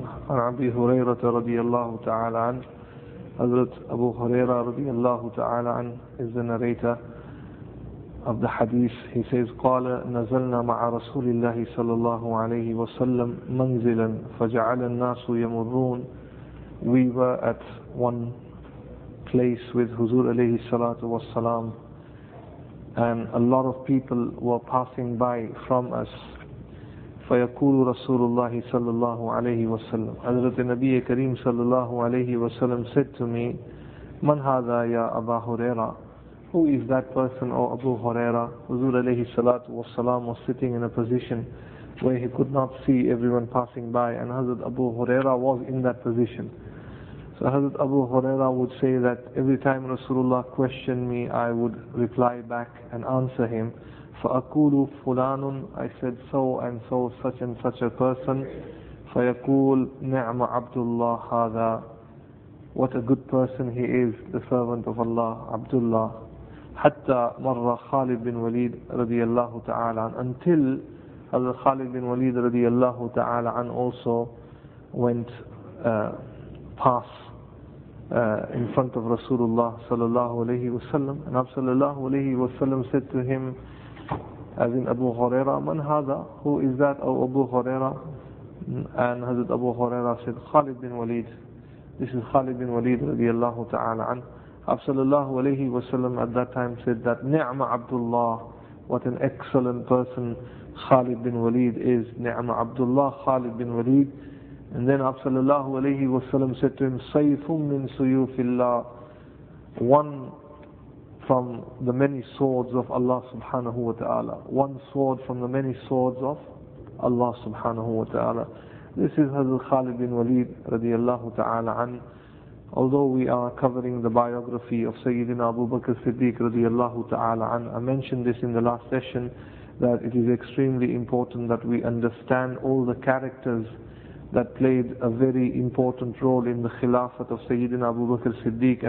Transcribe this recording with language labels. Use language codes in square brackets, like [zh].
[ar] عن أبي هريرة رضي الله تعالى عنه. حضرت أبو هريرة رضي الله تعالى عنه [en] is the narrator of the hadith. He says, [ar] قال نزلنا مع رسول الله صلى الله عليه وسلم منزلا فجعل الناس يمرون. [en] We were at one place with Huzur alayhi salatu wasalam, and a lot of people were passing by from us. [ar] فَيَقُولُ رَسُولُ اللَّهِ صَلَّى اللَّهُ عَلَيْهِ وَسَلَّمُ. حضرت نبی کریم صلی اللہ علیہ وسلم [en] said to me, [ar] مَنْ هَذَا يَا أَبَا هُرَيْرَا. [en] Who is that person, O Abu Huraira? Huzur alayhi salatu wasalam was sitting in a position where he could not see everyone passing by, and Hazrat Abu Huraira was in that position. So Hazrat Abu Huraira would say that every time Rasulullah questioned me, I would reply back and answer him. [ar] فَأَقُولُ فُلَانٌ. [en] I said, so and so, such and such a person. [ar] فَيَقُولُ نِعْمَ عَبْدُ اللَّهِ هَذَا. [en] What a good person he is, the servant of Allah, Abdullah. [ar] حَتَّى مَرَّ خَالِد بِنْ وَلِيد رضي الله تعالى عنه. [en] Until Hazrat Khalid bin Walid رضي الله تعالى عنه also went past in front of Rasulullah صلى الله عليه وسلم. And Abu صلى الله عليه وسلم said to him, as in Abu Huraira, [ar] من هذا؟ [en] Who is that, O Abu Huraira? And Hazrat Abu Huraira said, Khalid bin Walid. This is Khalid bin Walid رضي الله تعالى عنه. Abu صلى الله عليه وسلم at that time said that [ar] نعم عبد الله. [en] What an excellent person Khalid bin Walid is. [ar] نعم عبد الله Khalid bin Walid. [en] And then Abu صلى الله عليه وسلم said to him, [ar] سيف من سيوف الله. [en] One from the many swords of Allah subhanahu wa ta'ala. One sword from the many swords of Allah subhanahu wa ta'ala. This is Hazrat Khalid bin Walid radiallahu ta'ala an. Although we are covering the biography of Sayyidina Abu Bakr Siddiq radiallahu ta'ala an, I mentioned this in the last session, that it is extremely important that we understand all the characters that played a very important role in the Khilafat of Sayyidina Abu Bakr Siddiq.